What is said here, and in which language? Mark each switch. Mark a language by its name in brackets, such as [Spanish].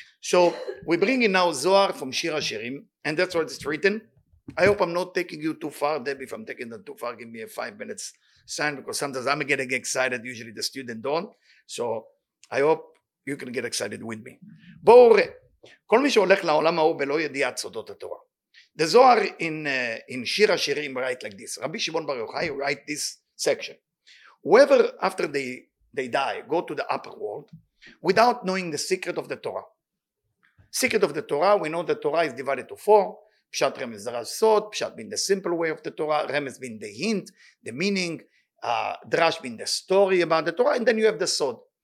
[English] So, we bring in now Zohar from Shir HaShirim. And that's what it's written. I hope I'm not taking you too far, Debbie. If I'm taking them too far, give me a 5 minutes sign. Because sometimes I'm getting excited. Usually the student don't. So, I hope you can get excited with me. Bore. [Hebrew] כל מי שהולך לעולם ההוא ולא ידיע סודות התורה. [English] The Zohar in Shir HaShirim write like this. Rabbi Shimon Bar Yochai write this section. Whoever after they die go to the upper world without knowing the secret of the Torah. Secret of the Torah, we know the Torah is divided to four. Pshat Remez Drash Sod, Pshat being the simple way of the Torah, Remez being the hint, the meaning, Drash being the story about the Torah, and then you have the Sod.